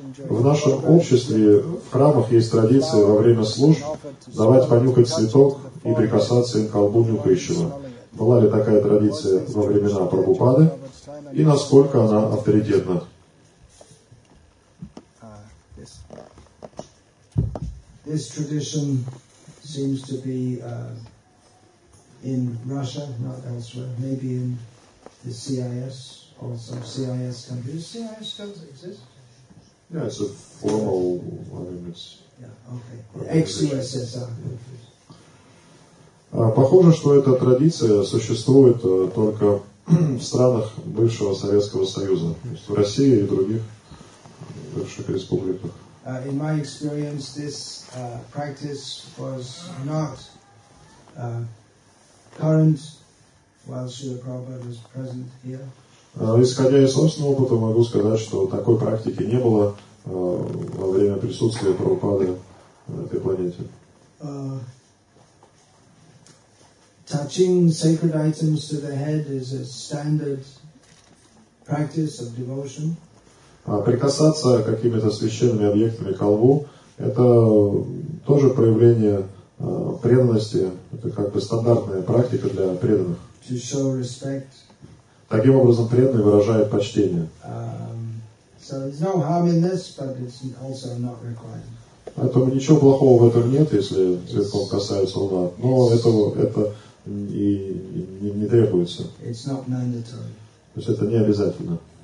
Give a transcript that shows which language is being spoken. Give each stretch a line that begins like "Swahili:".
Russian: В нашем обществе, в храмах есть традиции во время служб давать понюхать цветок и прикасаться им к колбу нюхающего. Была ли такая традиция во времена Прабхупады и насколько она авторитетна?
English: This tradition seems to be in Russia, not elsewhere. Maybe in the CIS. Also, CIS countries. CIS still exist? Yeah, it's a formal arrangement. Yeah, okay. Ex-USSR.
Russian: Похоже, что эта традиция существует только в странах бывшего Советского Союза, то есть в России и других бывших республиках.
English: In my experience, this practice was not current while Srila Prabhupada was present here.
Russian: Исходя из собственного опыта, могу сказать, что такой практики не было во время присутствия Прабхупады на этой планете.
English: Touching sacred items to the head is a standard practice of devotion.
Russian: Прикасаться к какими-то священными объектами ко лбу – это тоже проявление преданности, это как бы стандартная практика для преданных.
English: to show respect.
Russian: Таким образом, преданный выражает почтение.
English: So there's no harm in this, but it's also not required.
Russian: Поэтому ничего плохого в этом нет, если цветком касается луна. Но это не требуется.
English: It's not mandatory.
Russian: То есть это не обязательно.